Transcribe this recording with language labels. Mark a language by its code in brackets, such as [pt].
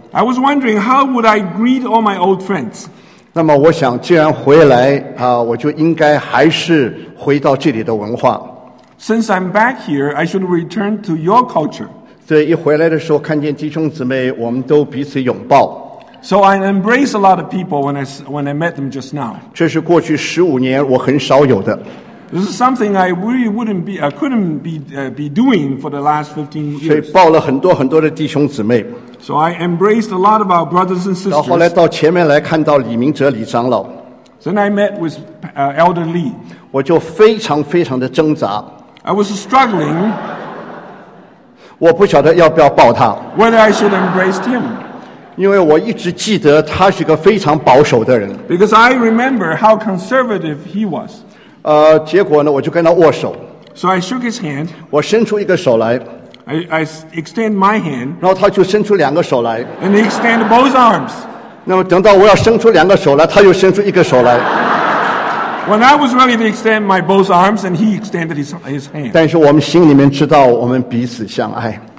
[en] I was wondering how would I greet all my old friends. [zh] 那么我想既然回来,我就应该还是回到这里的文化。 [en] Since I'm back here, I should return to your culture. [zh] 所以一回来的时候看见弟兄姊妹,我们都彼此拥抱。 [en] So I embrace a lot of people when I met them just now. [zh] 这是过去15年我很少有的。 [en] This is something I really wouldn't be, I couldn't be doing for the last 15 years. [zh] 所以抱了很多很多的弟兄姊妹。 [en] So I embraced a lot of our brothers and sisters. [zh] 到后来到前面来看到李明哲李长老。 [en] Then I met with Elder Lee. [zh] 我就非常非常的挣扎。 [en] I was struggling. [zh] 我不晓得要不要抱他。 [en] Whether I should embrace him. [zh] 因为我一直记得他是个非常保守的人。 [en] Because I remember how conservative he was. [zh] 结果呢，我就跟他握手。 [en] So I shook his hand. [zh] 我伸出一个手来。 [en] I extend my hand. [zh] 然后他就伸出两个手来。 [en] And he extend both arms. [zh] 那么等到我要伸出两个手来，他又伸出一个手来。 [en] When I was ready to extend my both arms, and he extended his hand. [zh] 但是我们心里面知道，我们彼此相爱。